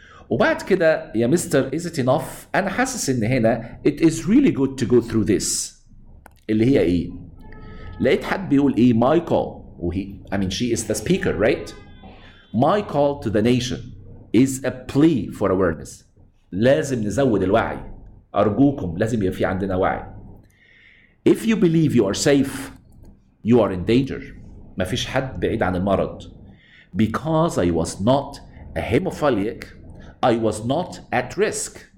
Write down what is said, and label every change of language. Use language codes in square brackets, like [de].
[ar] وبعد كده يا مستر, [en] is it enough? [ar] أنا حاسس إن هنا [en] it is really good to go through this. [ar] اللي هي إيه؟ لقيت حد بيقول إيه [en] my call. She is the speaker, right? My call to the nation is a plea for awareness. [ar] لازم نزود الوعي. أرجوكم لازم يبقى في عندنا وعي. [en] If you believe you are safe, you are in danger. [ar] ما فيش حد بعيد عن المرض. [en] Because I was not a hemophiliac, I was not at risk.